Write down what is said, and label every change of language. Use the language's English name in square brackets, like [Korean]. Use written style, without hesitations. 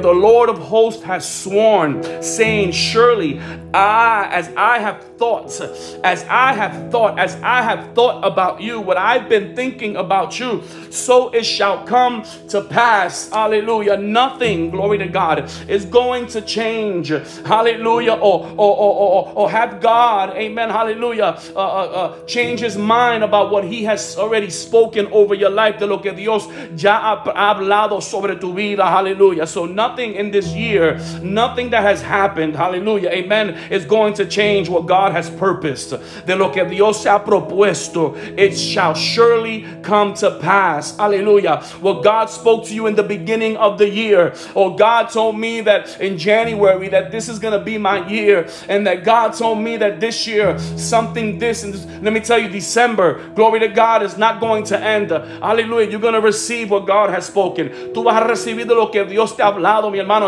[English] The Lord of hosts has sworn, saying, surely, as I have thought about you, what I've been thinking about you, so it shall come to pass. Hallelujah. Nothing, glory to God, is going to change. Hallelujah. Or have God, amen, hallelujah, change his mind about what he has already spoken over your life. [Spanish] De lo que Dios ya ha hablado sobre tu vida. Hallelujah. [English] So nothing in this year, nothing that has happened, hallelujah, amen, is going to change what God has purposed. [Spanish] De lo que Dios se ha propuesto, [English] it shall surely come to pass. [Spanish] Hallelujah. [English] What God spoke to you in the beginning of the year, or God told me that in January that this is going to be my year, and that God told me that this year something this, and this, let me tell you, December, glory to God, is not going to end. Hallelujah. You're going to receive what God has spoken. [Spanish] Tú vas a recibir de lo que Dios te ha hablado, mi hermano.